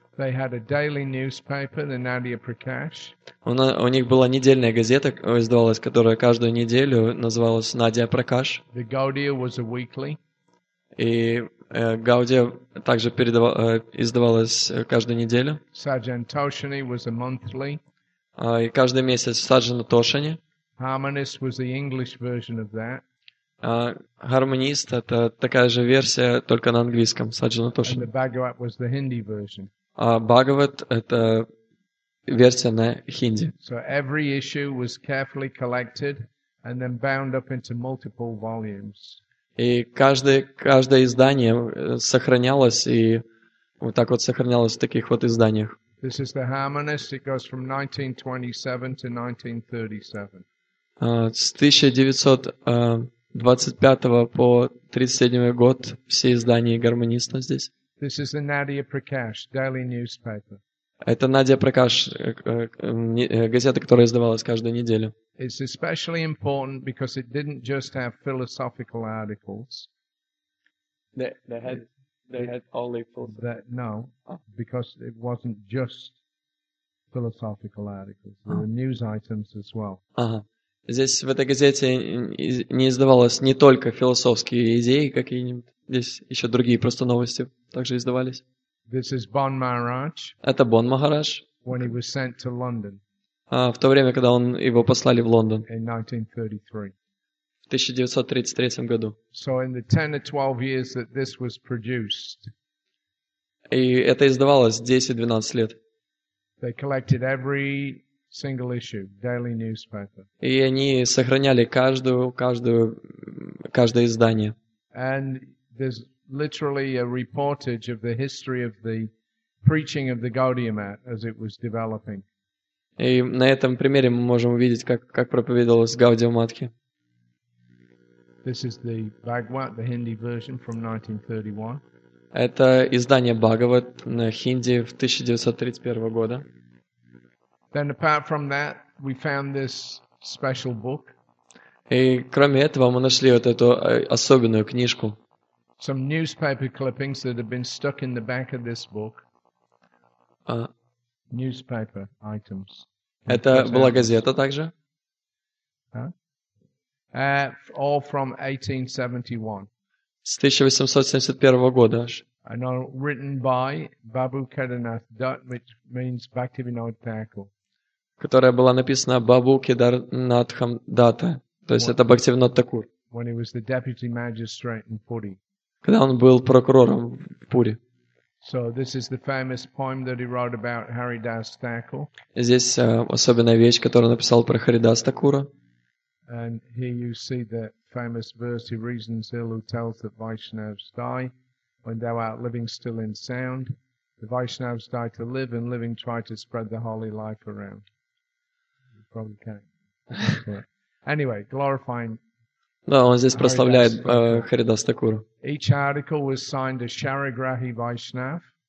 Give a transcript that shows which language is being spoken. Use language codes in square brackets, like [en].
[en] They had a daily newspaper, the Nadia Prakash. [ru] У них была недельная газета, издавалась, которая каждую неделю называлась Nadia Prakash. [en] The Gaudiya was a weekly. [ru] И Gaudiya также издавалась каждую неделю. [en] Sajantoshini was a monthly. [ru] И каждый месяц Sajantoshini. [en] Harmonist was the English version of that. [ru] Harmonist это такая же версия, только на английском, Sajantoshini. [en] And the Bhagavat was the Hindi version. [ru] А Бхагават — это версия на хинди. [en] So every issue was carefully collected and then bound up into multiple volumes. [ru] И каждое издание сохранялось и вот так вот сохранялось в таких вот изданиях. [en] This is the Harmonist. It goes from 1927 to 1937. [ru] С 1925 по 1937 год все издания Гармониста здесь. [en] This is the Nadia Prakash daily newspaper. [ru] Это Nadia Prakash газета, которая издавалась каждую неделю. [en] It's especially important because it didn't just have philosophical articles. They had only philosophical. No, because it wasn't just philosophical articles. There were news items as well. [ru] Ага. Здесь в этой газете не издавалось не только философские идеи какие-нибудь. Здесь еще другие просто новости также издавались. [en] This is Bon Maharaj. [ru] Это Бон Махарадж. [en] When he was sent to London. [ru] В то время, когда он его послали в Лондон. [en] In 1933. [ru] В 1933 году. [en] So in the 10 or 12 years that this was produced. [ru] И это издавалось 10-12 лет. [en] They collected every single issue, daily newspaper. [ru] И они сохраняли каждое издание. [en] And there's literally a reportage of the history of the preaching of the Gaudiya Math as it was developing. [ru] И на этом примере мы можем увидеть, как проповедовалось Гаудия Матхе. [en] This is the Bhagavat, the Hindi version from 1931. [ru] Это издание Бхагават на хинди в 1931 года. [en] Then apart from that, we found this special book. [ru] И кроме этого мы нашли вот эту особенную книжку. [en] Some newspaper clippings that have been stuck in the back of this book. Newspaper items. [ru] Это была газета также? [en] All from 1871. [ru] С 1871 года аж. [en] And are written by Babu Kedarnath Dutt, which means Bhaktivinoda Thakur. [ru] Которая была написана Бабу Кедарнатхам Датта, то есть это Бхактивинода Такур. [en] When he was the deputy magistrate in Puri. [ru] Когда он был прокурором в Пури. [en] So this is the famous poem that he wrote about Haridas Thakur. [ru] Здесь особенная вещь, которую написал про Харидас Такура. [en] And here you see the famous verse: "He reasons ill who tells that Vaishnavas die, when thou art living still in sound. The Vaishnavas die to live, and living try to spread the holy life around." You probably can't. Anyway, glorifying. [ru] Да, он здесь прославляет Харидас Такура. [en] Each article was signed a Sharagrahi Vaishnav.